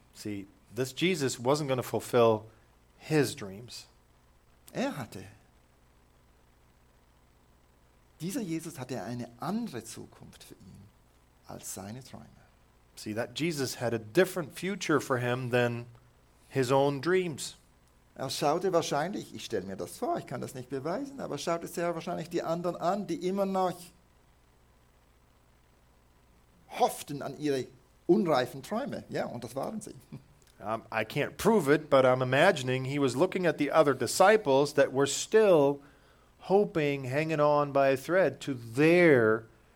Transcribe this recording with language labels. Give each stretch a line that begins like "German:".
English: See, this Jesus wasn't going to fulfill his dreams.
German: Dieser Jesus hatte eine andere Zukunft für ihn als seine Träume.
English: See, that Jesus had a different future for him than his own dreams.
German: Er schaute wahrscheinlich, ich stelle mir das vor, ich kann das nicht beweisen, aber schaute sehr wahrscheinlich die anderen an, die immer noch hofften an ihre unreifen Träume. Ja, und das waren sie.
English: I can't prove it, but I'm imagining he was looking at the other disciples that were still hoping, hanging on by a thread to their